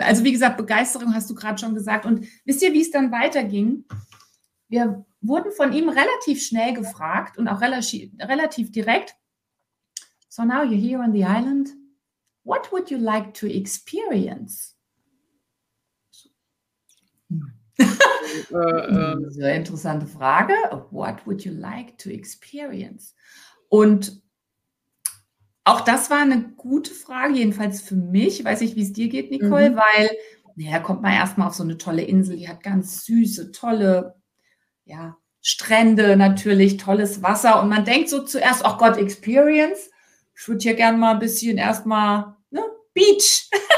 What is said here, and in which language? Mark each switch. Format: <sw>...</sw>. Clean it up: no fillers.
<de>Also wie gesagt, Begeisterung hast du gerade schon gesagt. Und wisst ihr, wie es dann weiterging? Wir wurden von ihm relativ schnell gefragt und auch relativ direkt.</de> <en>So now you're here on the island. What would you like to experience?</en> <de>Sehr interessante Frage.</de> <en>What would you like to experience?</en> <de>Und auch das war eine gute Frage, jedenfalls für mich. Ich weiß nicht, wie es dir geht, Nicole, weil, naja, kommt man erstmal auf so eine tolle Insel, die hat ganz süße, tolle, ja, Strände natürlich, tolles Wasser. Und man denkt so zuerst, ach Gott, Experience. Ich würde hier gerne mal ein bisschen erstmal, ne, Beach.</de>